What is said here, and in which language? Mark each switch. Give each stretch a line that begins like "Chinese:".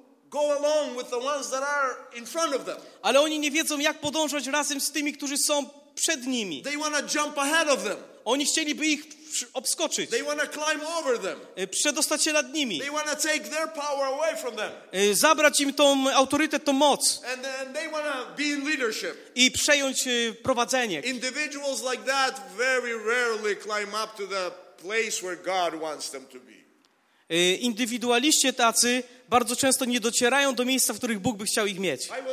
English: Go along with the ones that are in front of them.
Polish: Ale oni nie wiedzą, jak podążać razem z tymi, którzy są przed nimi.
English: They want to jump ahead of them.
Polish: Oni chcieliby ich obskoczyć.
English: They want to climb over them.
Polish: Przedostać się nad nimi.
English: They want to take their power away from them.
Polish: Zabrać im tą autorytet, tą moc.
English: And then they want to be in leadership.
Polish: I przejąć prowadzenie.
English: Individuals like that very rarely climb up to the place where God wants them to be.
Polish: Indywidualiści tacy bardzo często nie docierają do miejsca, w których Bóg by chciał ich mieć.